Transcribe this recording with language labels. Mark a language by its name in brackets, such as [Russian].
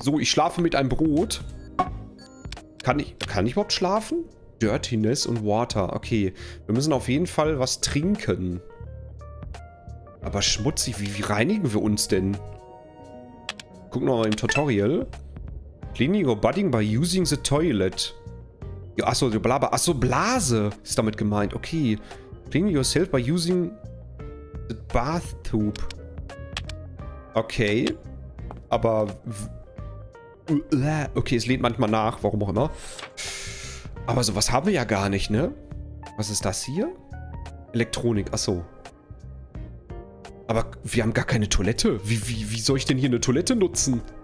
[German] So, ich schlafe mit einem Brot. Kann ich überhaupt schlafen? Dirtiness und Water. Okay. Wir müssen auf jeden Fall was trinken. Aber schmutzig, wie reinigen wir uns denn? Gucken wir mal im Tutorial. [English] Cleaning your body by using the toilet. [German] Ja, achso, die Blabe. Achso, Blase ist damit gemeint. Okay. [English] Cleaning yourself by using the bathtub. [German] Okay. Aber. Okay, es lädt manchmal nach, warum auch immer. Aber sowas haben wir ja gar nicht, ne? Was ist das hier? Elektronik, achso. Aber wir haben gar keine Toilette. Wie soll ich denn hier eine Toilette nutzen?